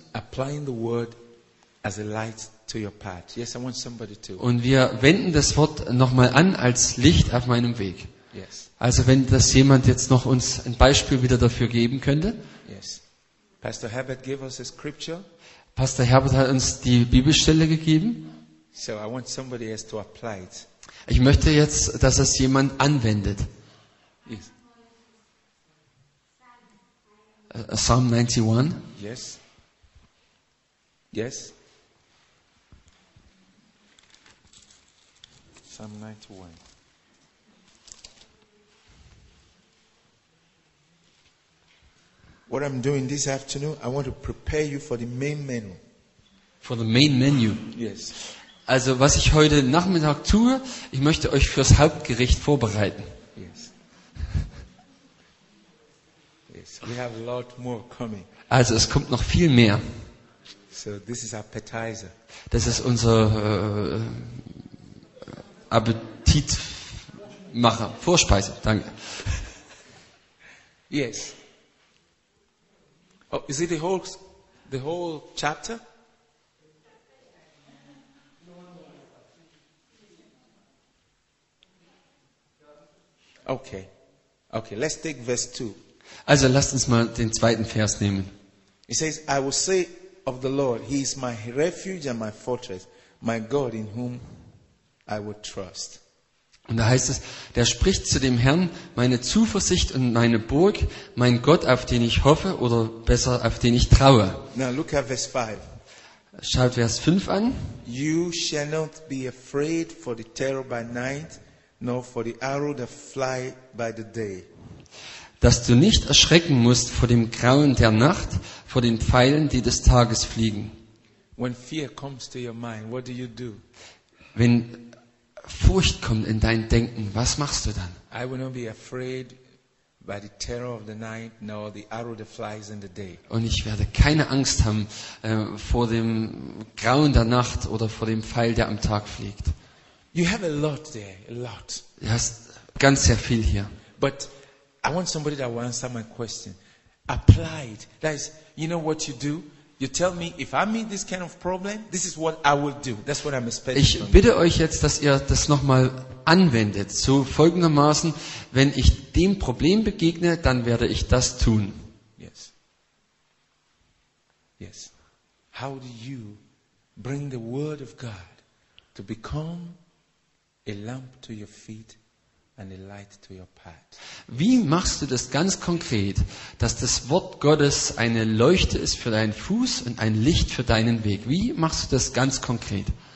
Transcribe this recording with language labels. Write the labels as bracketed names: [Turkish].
[English] Applying the word as a light to your path. Yes, I want somebody to. [German] Und wir wenden das Wort nochmal an als Licht auf meinem Weg. [English] Yes. [German] Also wenn das jemand jetzt noch uns ein Beispiel wieder dafür geben könnte. [English] Yes. Pastor Herbert gave us a scripture. [German] Pastor Herbert hat uns die Bibelstelle gegeben. [English] So I want somebody else to apply it. [German] Ich möchte jetzt, dass es jemand anwendet. [English] Yes. Psalm 91. Yes. Yes. Psalm 91. What I'm doing this afternoon, I want to prepare you for the main menu. For the main menu. Yes. [German] Also, was ich heute Nachmittag tue, ich möchte euch fürs Hauptgericht vorbereiten. [English] Yes. Yes. We have a lot more coming. [German] Also, es kommt noch viel mehr. [English] So, this is appetizer. [German] Das ist unser Appetitmacher, Vorspeise. Danke. [English] Yes. Oh, is it the whole chapter? Okay. Let's take verse 2. [German] Also, lasst uns mal den zweiten Vers nehmen. [English] It says, "I will say of the Lord, He is my refuge and my fortress, my God in whom I will trust." [German] Und da heißt es, der spricht zu dem Herrn, meine Zuversicht und meine Burg, mein Gott, auf den ich hoffe, oder besser, auf den ich traue. [English] Now look at verse 5. [German] Schaut Vers 5 an. [English] You shall not be afraid for the terror by night, nor for the arrow that fly by the day. [German] Dass du nicht erschrecken musst vor dem Grauen der Nacht, vor den Pfeilen, die des Tages fliegen. [English] When fear comes to your mind, what do you do? [German] Wenn Furcht kommt in dein Denken, was machst du dann? [English] I will not be afraid by the terror of the night, nor the arrow that flies in the day. [German] Und ich werde keine Angst haben vor dem Grauen der Nacht oder vor dem Pfeil, der am Tag fliegt. [English] You have a lot there, a lot. [German] Du hast ganz sehr viel hier. [English] But I want somebody that will answer my question. Apply it. That is, you know what you do? You tell me if I meet this kind of problem, this is what I will do. That's what I'm expecting. [German] Ich bitte euch jetzt, dass ihr das nochmal anwendet. So folgendermaßen, wenn ich dem Problem begegne, dann werde ich das tun. [English] Yes. Yes. How do you bring the word of God to become a lamp to your feet and a light to your path? [German] Wie machst du das ganz konkret, dass das Wort Gottes eine Leuchte ist für deinen Fuß und ein Licht für deinen Weg? Wie machst du das ganz konkret?